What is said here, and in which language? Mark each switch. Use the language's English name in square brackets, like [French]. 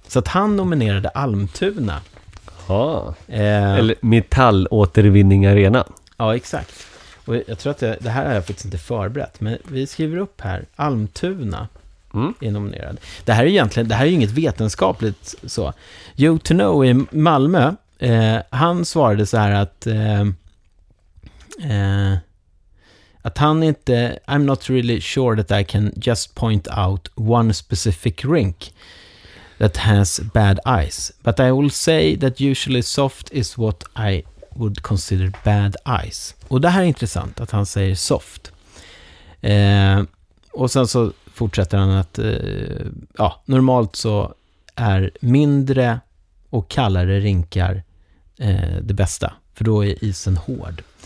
[Swedish] Så att han nominerade Almtuna. Ja, eller metallåtervinning arena. Ja, exakt. Och jag tror att det här har jag faktiskt inte förberett. Men vi skriver upp här, Almtuna är nominerad. Det här är egentligen, det här är ju inget vetenskapligt så. [English] You to know [Swedish] i Malmö, han svarade så här att han inte, [English] I'm not really sure that I can just point out one specific rink that has bad ice, but I will say that usually soft is what I would consider bad ice. [Swedish] Och det här är intressant att han säger soft. Och sen så fortsätter han att normalt så är mindre och kallare rinkar det bästa, för då är isen hård.